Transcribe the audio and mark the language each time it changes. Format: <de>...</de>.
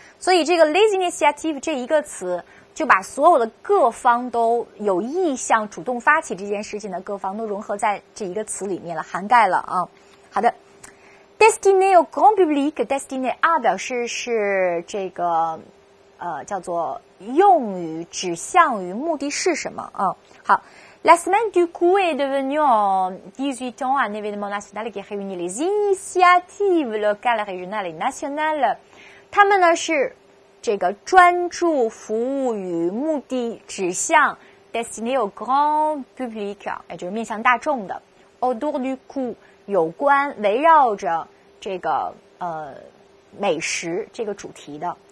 <zh>所以这个</zh> <fr>les initiative</fr> <zh>这一个词就把所有的各方都有意向主动发起这件事情的各方都融合在这一个词里面了，涵盖了啊。好的，</zh> <fr>destiné au grand public, destiné à</fr> <zh>表示是这个叫做用于指向于目的是什么啊。</zh> <fr>好， La semaine du coup est devenue en 18 ans un événement national qui réunit les initiatives locales, régionales et nationales.</fr> <zh>他们呢是这个专注服务于目的指向</zh> <fr>destiné au grand public,</fr> <zh>也就是面向大众的</zh> <fr>autour du coup,</fr> <zh>有关围绕着这个美食这个主题的。</zh>